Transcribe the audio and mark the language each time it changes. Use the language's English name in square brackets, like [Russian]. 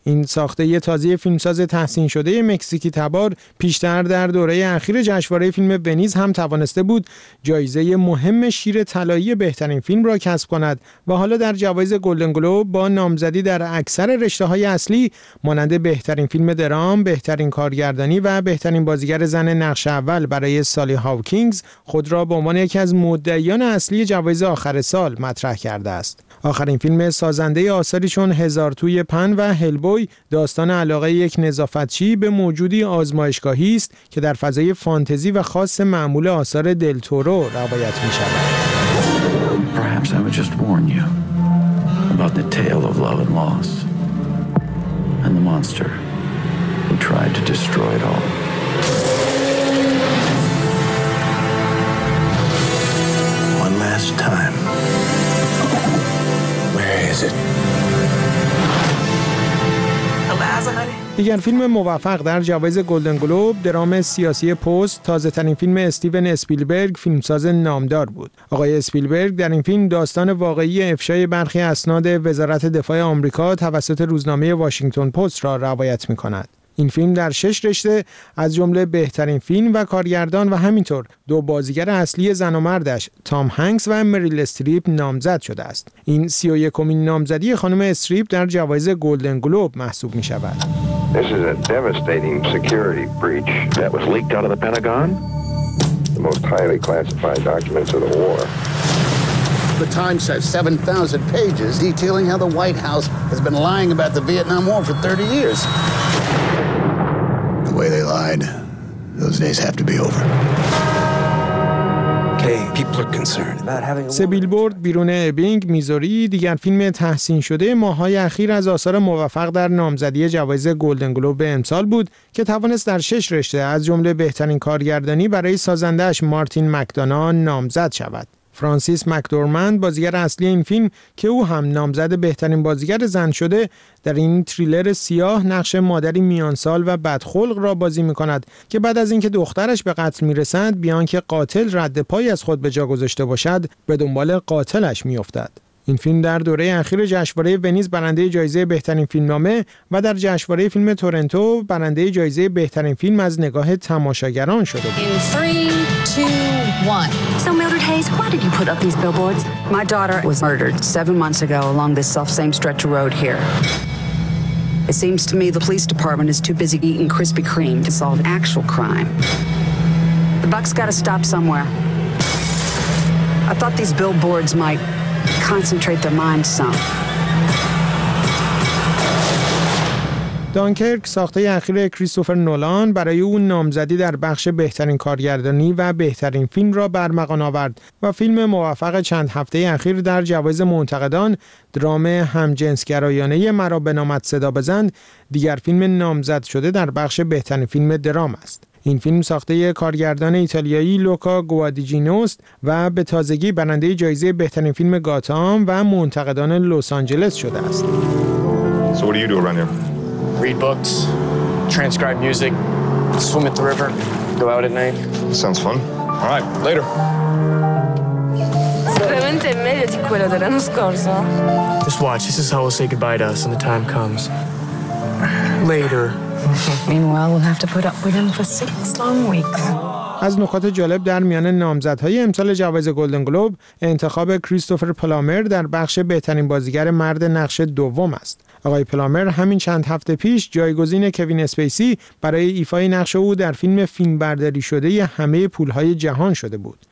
[Persian] این ساخته تازه فیلمساز تحسین شده مکزیکی تبار پیشتر در دوره اخیر جشنواره فیلم ونیز هم توانسته بود جایزه مهم شیر طلایی بهترین فیلم را کسب کند و حالا در جوایز گلدن گلوب با نامزدی در اکثر رشته‌های اصلی مانند بهترین فیلم درام، بهترین کارگردانی و بهترین بازیگر زن نقش اول برای سالی هاوکینگز خود را به عنوان یکی از مدعیان اصلی جوایز آخر سال مطرح کرده است. آخرین فیلم سازنده آثاری چون هزار توی پن و هلبوی داستان علاقه یک نظافتچی به موجودی آزمایشگاهی است که در فضای فانتزی و خاص معمول آثار دل تورو روایت می شود. [English] Perhaps I would just warn you about the tale of love and loss and the monster who tried to destroy it all. One last time. [Persian] دیگر فیلم موفق در جوایز گلدن گلوب، درام سیاسی پست، تازه ترین فیلم استیون اسپیلبرگ فیلمساز نامدار بود. آقای اسپیلبرگ در این فیلم داستان واقعی افشای برخی اسناد وزارت دفاع آمریکا توسط روزنامه واشنگتن پست را روایت می‌کند. این فیلم در 6 رشته از جمله بهترین فیلم و کارگردان و همینطور دو بازیگر اصلی زن و مردش تام هنگس و مریل استریپ نامزد شده است. این 31مین نامزدی خانم استریپ در جوایز گلدن گلوب محسوب می شود. [English] This is a devastating security breach that was leaked out of the Pentagon. The most highly classified documents of the war. The Times says 7,000 pages detailing how the White House has been lying about the Vietnam War for 30 years. The way they lied, those days have to be over. [Persian] سه بیلبورد بیرون ابینگ میزوری دیگر فیلم تحسین شده ماهای اخیر از آثار موفق در نامزدی جوایز گلدن گلوب به امسال بود که توانست در 6 رشته از جمله بهترین کارگردانی برای سازندهش مارتین مکدانا نامزد شود. فرانسیس مکدورمند بازیگر اصلی این فیلم که او هم نامزد بهترین بازیگر زن شده در این تریلر سیاه نقش مادری میانسال و بدخلق را بازی می‌کند که بعد از اینکه دخترش به قتل می‌رسد بیان که قاتل رد پای از خود به جا گذاشته باشد به دنبال قاتلش می‌افتد. این فیلم در دوره اخیر جشنواره ونیز برنده جایزه بهترین فیلمنامه و در جشنواره فیلم تورنتو برنده جایزه بهترین فیلم از نگاه تماشاگران شده بود. [English] So Mildred Hayes, why did you put up these billboards? My daughter was murdered 7 months ago along this self-same stretch of road here. It seems to me the police department is too busy eating Krispy Kreme to solve actual crime. The buck's got to stop somewhere. I thought these billboards might concentrate their minds some. [Persian] دانکرک ساخته اخیر کریستوفر نولان برای او نامزدی در بخش بهترین کارگردانی و بهترین فیلم را برمغان آورد و فیلم موفق چند هفته اخیر در جوایز منتقدان درام همجنسگرایانه مرا به نامت صدا بزند دیگر فیلم نامزد شده در بخش بهترین فیلم درام است. این فیلم ساخته کارگردان ایتالیایی لوکا گوادیجینوست و به تازگی برنده جایزه بهترین فیلم گاتام و منتقدان لس آنجلس شده است. [English] Read books, transcribe music, swim at the river, go out at night. Sounds fun. All right, later. [Italian] Sicuramente meglio di quello dell'anno scorso. [English] Just watch. This is how we'll say goodbye to us when the time comes. later. Meanwhile, we'll have to put up with him for 6 long weeks. [Persian] از نکات جالب در میان نامزدهای امسال جوایز گلدن گلوب، انتخاب کریستوفر پلامر در بخش بهترین بازیگر مرد نقش دوم است. آقای پلامر همین چند هفته پیش جایگزین کوین اسپیسی برای ایفای نقش او در فیلم فیلمبرداری شده همه پولهای جهان شده بود.